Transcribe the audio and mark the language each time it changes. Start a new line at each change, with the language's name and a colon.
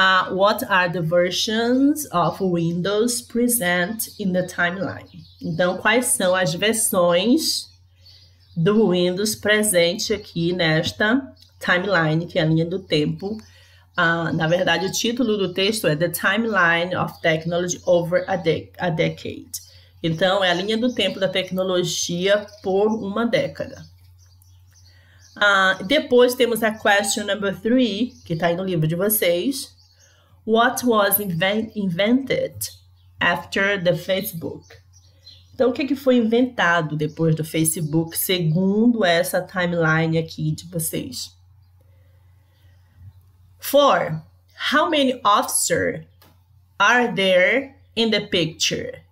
English: What are the versions of Windows present in the timeline?
Portuguese: Então, quais são as versões do Windows presente aqui nesta timeline, que é a linha do tempo? Na verdade, o título do texto é The Timeline of Technology Over a Decade. Então, é a linha do tempo da tecnologia por uma década. Depois temos a
English: question number three,
Portuguese: que está aí no livro de vocês.
English: What was invented after the Facebook?
Portuguese: Então, o que foi inventado depois do Facebook, segundo essa timeline aqui de vocês? 4.
English: How many officers are there in the picture?